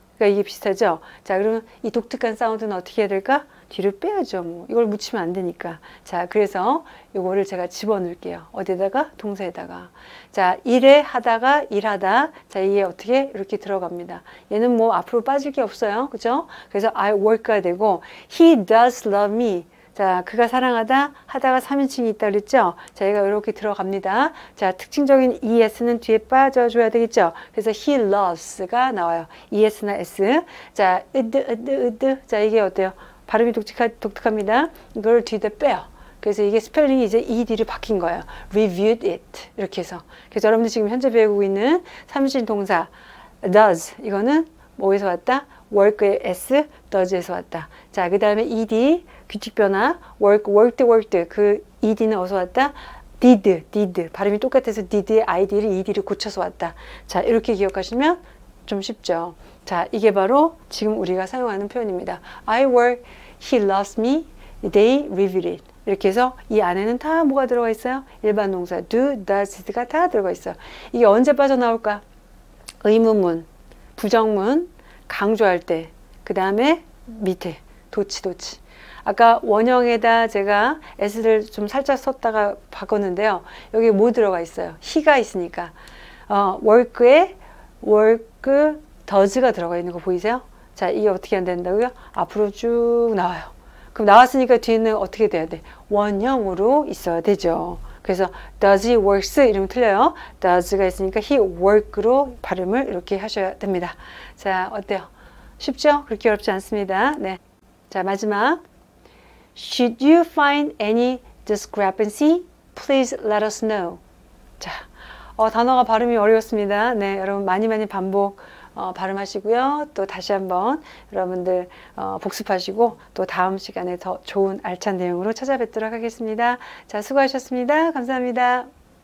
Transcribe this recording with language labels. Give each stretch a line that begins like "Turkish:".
Korean: 그러니까 이게 비슷하죠? 자, 그러면 이 독특한 사운드는 어떻게 해야 될까? 뒤를 빼야죠. 뭐 이걸 묻히면 안 되니까. 자, 그래서 요거를 제가 집어넣을게요. 어디에다가? 동사에다가. 자, 일해 하다가 일하다. 자, 이게 어떻게 이렇게 들어갑니다. 얘는 뭐 앞으로 빠질 게 없어요. 그죠?
English: 그래서 I work가 되고 he does love me.
Korean: 자, 그가 사랑하다 하다가 3인칭이 있다 그랬죠? 자, 얘가 이렇게 들어갑니다. 자, 특징적인 ES는 뒤에 빠져줘야 되겠죠? 그래서 he loves가 나와요. ES나 S. 자, 으드, 으드, 으드. 자, 이게 어때요? 발음이 독특합니다. 이걸 뒤에 빼요. 그래서 이게 스펠링이 이제 ED로 바뀐 거예요. reviewed it. 이렇게 해서. 그래서 여러분들 지금 현재 배우고 있는 3인칭 동사 does. 이거는 뭐에서 왔다? work의 S, does에서 왔다. 자, 그 다음에 ED. 규칙 변화, work, worked, worked. 그 ed는 어디서 왔다? did, did. 발음이 똑같아서 did의 id를 ed로 고쳐서 왔다. 자, 이렇게 기억하시면 좀 쉽죠. 자, 이게 바로 지금 우리가 사용하는 표현입니다.
English: I work, he loves me, they review it.
Korean: 이렇게 해서 이 안에는 다 뭐가 들어가 있어요? 일반 동사, do, does, did가 다 들어가 있어요. 이게 언제 빠져나올까? 의문문, 부정문, 강조할 때, 그 다음에 밑에, 도치, 도치. 아까 원형에다 제가 S를 좀 살짝 썼다가 바꿨는데요. 여기 뭐 들어가 있어요? He가 있으니까. Work에 work does가 들어가 있는 거 보이세요? 자, 이게 어떻게 안 된다고요? 앞으로 쭉 나와요. 그럼 나왔으니까 뒤에는 어떻게 돼야 돼? 원형으로 있어야 되죠. 그래서
English: does he works
Korean: 이러면 틀려요. does가 있으니까
English: he work
Korean: 로 발음을 이렇게 하셔야 됩니다. 자, 어때요? 쉽죠? 그렇게 어렵지 않습니다. 네. 자, 마지막.
English: Should you find any discrepancy, please let us know.
Korean: 자, 단어가 발음이 어려웠습니다. 네, 여러분 많이 많이 반복 발음하시고요. 또 다시 한번 여러분들 복습하시고 또 다음 시간에 더 좋은 알찬 내용으로 찾아뵙도록 하겠습니다. 자, 수고하셨습니다. 감사합니다.